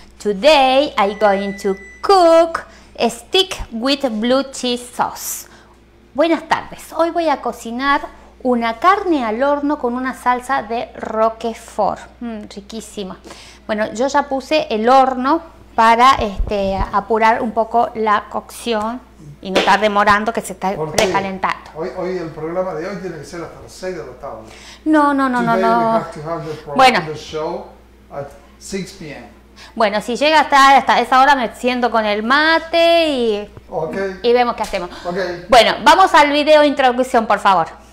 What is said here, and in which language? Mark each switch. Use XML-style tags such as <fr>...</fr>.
<en>Today I'm going to cook a steak with blue cheese sauce.</en> <es>Buenas tardes, hoy voy a cocinar una carne al horno con una salsa de Roquefort. Riquísima. Bueno, yo ya puse el horno para apurar un poco la cocción y no estar demorando que se está precalentando. Hoy el programa de hoy tiene que ser hasta las 6 de la tarde. No.</es> <en>We have to have the show at 6 p.m.</en> <es>Bueno, si llega hasta esa hora me siento con el mate y,</es> <en>okay.</en> <es>Y vemos qué hacemos.</es> <en>Okay.</en> <es>Bueno, vamos al video introducción, por favor.</es>